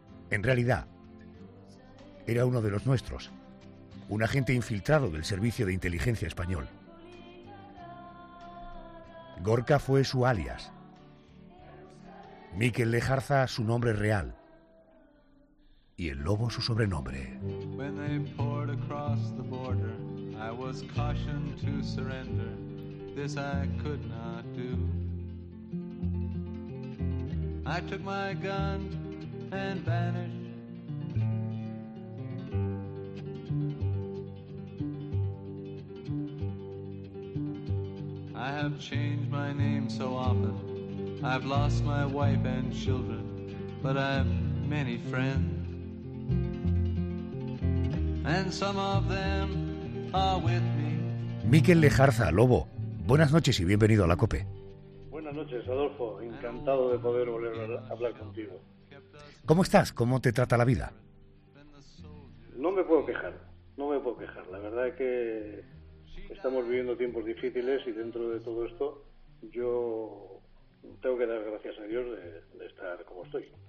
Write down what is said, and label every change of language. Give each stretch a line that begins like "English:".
Spanish: En realidad, era uno de los nuestros, un agente infiltrado del Servicio de Inteligencia Español. Gorka fue su alias. Mikel Lejarza, su nombre real. Y el lobo su sobrenombre.
English: When they poured across the border, I was cautioned to surrender. This I could not do. I took my gun and vanished. I have changed my name so often. I've lost my wife and children, but I've many friends. And some of them are with me.
Spanish: Mikel Lejarza, Lobo, buenas noches y bienvenido a la COPE. Buenas noches, Adolfo, encantado de poder volver a hablar contigo. ¿Cómo estás? ¿Cómo te trata la vida? No me puedo quejar. La verdad es que estamos viviendo tiempos difíciles y dentro de todo esto yo tengo que dar gracias a Dios de estar como estoy.